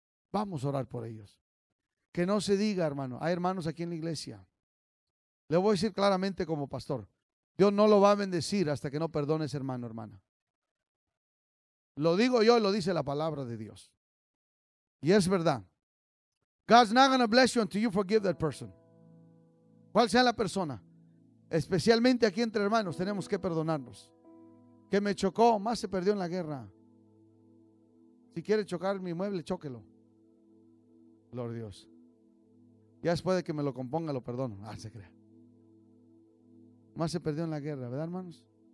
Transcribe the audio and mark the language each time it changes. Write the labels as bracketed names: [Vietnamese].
[Spanish] Vamos a orar por ellos. Que no se diga, hermano, hay hermanos aquí en la iglesia. Le voy a decir claramente como pastor, Dios no lo va a bendecir hasta que no perdones, hermano, hermana. Lo digo yo y lo dice la palabra de Dios. Y es verdad. [English] God's not going to bless you until you forgive that person. [Spanish] Cual sea la persona, especialmente aquí entre hermanos, tenemos que perdonarnos. Que me chocó, más se perdió en la guerra. Si quiere chocar mi mueble, chóquelo. Gloria a Dios. Ya después de que me lo componga, lo perdono. Ah, se crea. Más se perdió en la guerra, ¿verdad, hermanos?